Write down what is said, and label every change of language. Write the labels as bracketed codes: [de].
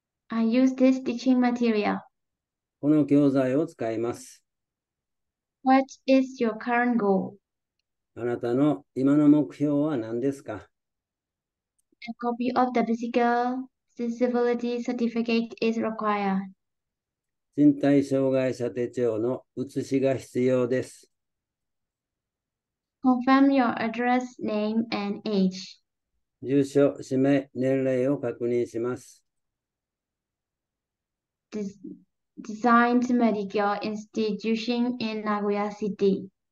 [en] I use this teaching material. [ja] この教材を使います。 [en] What is your current goal? [ja] あなたの今の目標は何ですか？ [en] A copy of the physical disability certificate is required. [ja] 身体障害者手帳の写しが必要です。 [en] Confirm your address, name, and age. [ja] 住所、氏名、年齢を確認します。 [en] Designed Medical Institution in Nagoya City.